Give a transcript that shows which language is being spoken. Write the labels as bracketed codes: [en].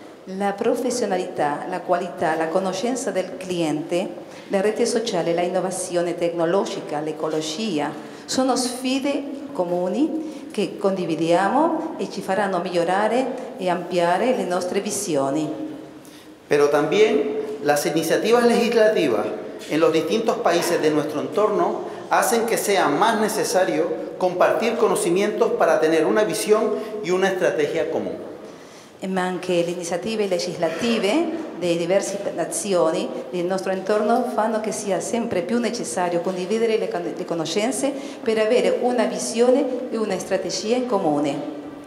[it] La professionalità, la qualità, la conoscenza del cliente, le reti sociali, la innovazione tecnologica, l'ecologia, sono sfide comuni che condividiamo e ci faranno migliorare e ampliare le nostre visioni. [es] Pero también las iniciativas legislativas en los distintos países de nuestro entorno hacen que sea más necesario compartir conocimientos para tener una visión y una estrategia común. [it] Ma anche le iniziative legislative delle diverse nazioni del nostro entorno fanno che sia sempre più necessario condividere le conoscenze per avere una visione e una strategia in comune.